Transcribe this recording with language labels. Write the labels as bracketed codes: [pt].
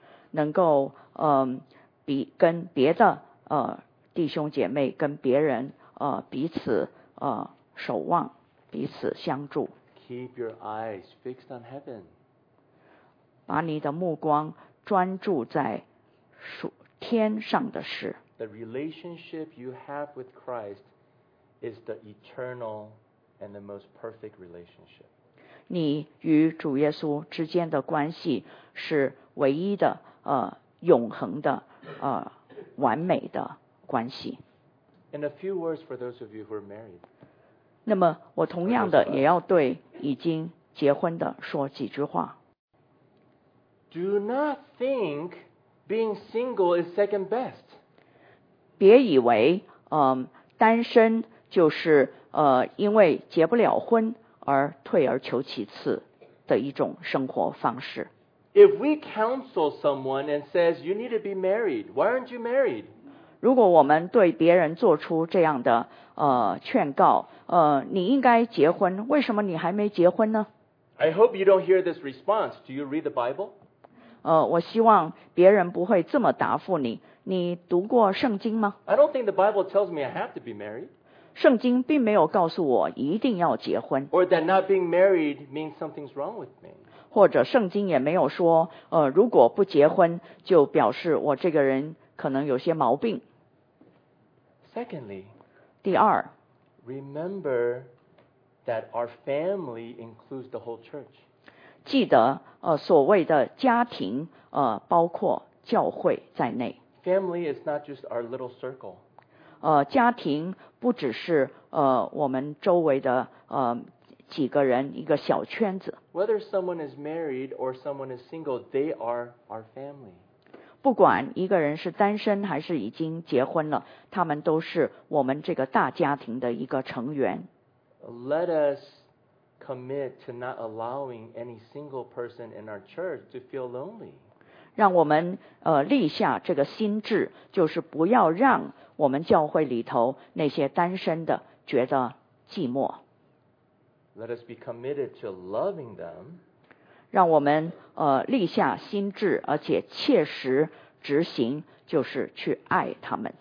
[zh] 能够跟别的弟兄姐妹跟别人彼此守望，彼此相助。 [en] Keep your eyes fixed on heaven. [zh] 把你的目光专注在天上的事。 [en] The relationship you have with Christ is the eternal and the most perfect relationship. [zh] 你与主耶稣之间的关系是唯一的永恒的完美的关系。 [en] And a few words for those of you who are married. [zh] 那么我同样的也要对已经结婚的说几句话。 [en] Do not think being single is second best. [zh] 别以为单身就是因为结不了婚而退而求其次的一种生活方式。 [en] If we counsel someone and says you need to be married, why aren't you married? [zh] 如果我们对别人做出这样的劝告，你应该结婚，为什么你还没结婚呢？ [en] I hope you don't hear this response. Do you read the Bible? [zh] 我希望别人不会这么答复你。你读过圣经吗？ [en] I don't think the Bible tells me I have to be married. [zh] 圣经并没有告诉我一定要结婚。 [en] Or that not being married means something's wrong with me. [zh] 或者圣经也没有说，如果不结婚，就表示我这个人可能有些毛病。 [en] Secondly, [zh] 第二， [en] Remember that our family includes the whole church. [zh] 记得所谓的家庭包括教会在内。 [en] Family is not just our little circle. [zh] 家庭不只是我们周围的几个人一个小圈子。 [en] Whether someone is married or someone is single, they are our family. [zh] 不管一个人是单身还是已经结婚了，他们都是我们这个大家庭的一个成员。 [en] Let us commit to not allowing any single person in our church to feel lonely. [zh] 让我们立下这个心志，就是不要让我们教会里头那些单身的觉得寂寞。 [en] Let us be committed to loving them. [zh] 让我们立下心志，而且切实执行，就是去爱他们。